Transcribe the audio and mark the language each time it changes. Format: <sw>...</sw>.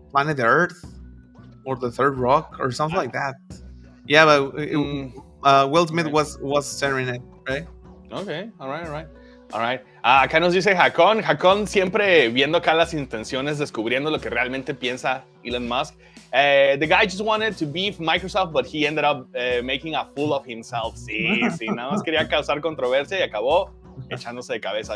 <en>Planet Earth or The Third Rock or something like that. Yeah, but Will Smith was centering it, right? Okay, all right.</en> <es>Acá nos dice Hakon siempre viendo acá las intenciones, descubriendo lo que realmente piensa Elon Musk.</es> <en>The guy just wanted to beef Microsoft, but he ended up making a fool of himself.</en> <es>Sí, nada más quería causar controversia y acabó echándose de cabeza.</es>